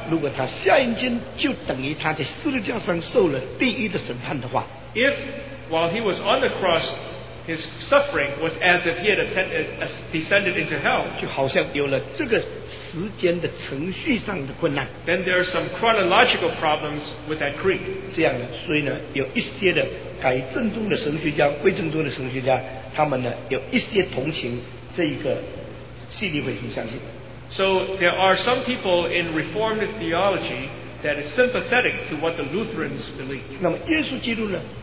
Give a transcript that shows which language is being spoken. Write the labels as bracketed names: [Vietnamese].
[English] If while he was on the cross, his suffering was as if he had descended into hell, then there are some chronological problems with that Greek. [Chinese] 这样呢，所以呢，有一些的改正宗的神学家、归正宗的神学家。他们呢, [English] so there are some people in Reformed theology that is sympathetic to what the Lutherans believe.